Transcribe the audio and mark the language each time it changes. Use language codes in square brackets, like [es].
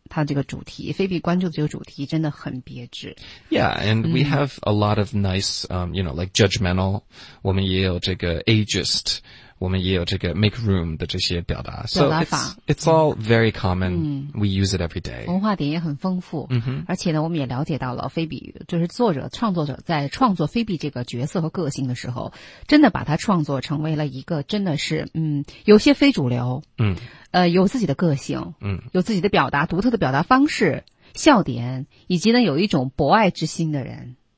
[zh] 他这个主题，菲比关注的这个主题真的很别致。 [en] Yeah, and we have a lot of nice, you know, like judgmental. [zh] 我们也有这个 [en] ageist. [zh] 我们也有这个 [en] make room [zh] 的这些表达。表达法。 [en] It's all very common.、嗯、we use it every day. [zh] 文化点也很丰富。嗯哼。而且呢我们也了解到了菲比就是作者创作者在创作菲比这个角色和个性的时候真的把它创作成为了一个真的是有些非主流。嗯。有自己的个性。嗯。有自己的表达独特的表达方式笑点以及呢有一种博爱之心的人。